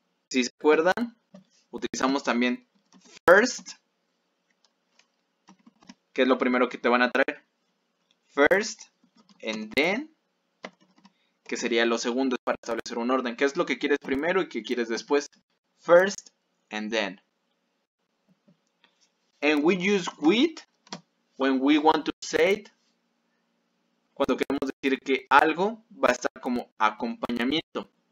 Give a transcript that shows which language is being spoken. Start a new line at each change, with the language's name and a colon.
Spanish: Si se acuerdan, utilizamos también first, que es lo primero que te van a traer. First and then, que sería lo segundo para establecer un orden. ¿Qué es lo que quieres primero y qué quieres después?
English: First and then. And we use with when we want to say it.
Spanish: Cuando queremos decir que algo va a estar como acompañamiento.